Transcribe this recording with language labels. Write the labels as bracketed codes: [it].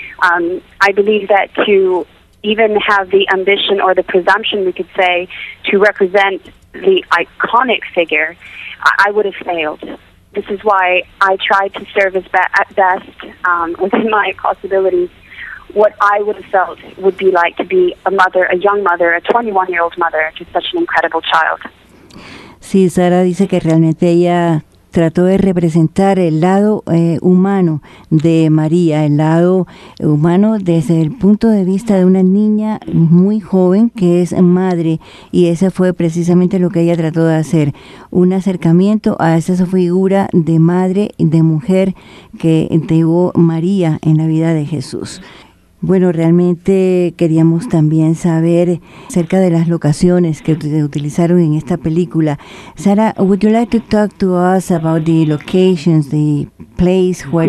[en] I believe that to even have the ambition or the presumption, we could say, to represent the iconic figure, I would have failed. This is why I tried to serve at best, within my possibilities, what I would have felt would be like to be a mother, a young mother, a 21-year-old mother to such an incredible child. [es] Sí, Sara dice que realmente ella trató de representar el lado humano de María, el lado humano desde el punto de vista de una niña muy joven que es madre, y ese fue precisamente lo que ella trató de hacer, un acercamiento a esa figura de madre, de mujer que llevó María en la vida de Jesús. Bueno, realmente queríamos también saber acerca de las locaciones que utilizaron en esta película. [en] Sara, would you like to talk to us about the locations, the place where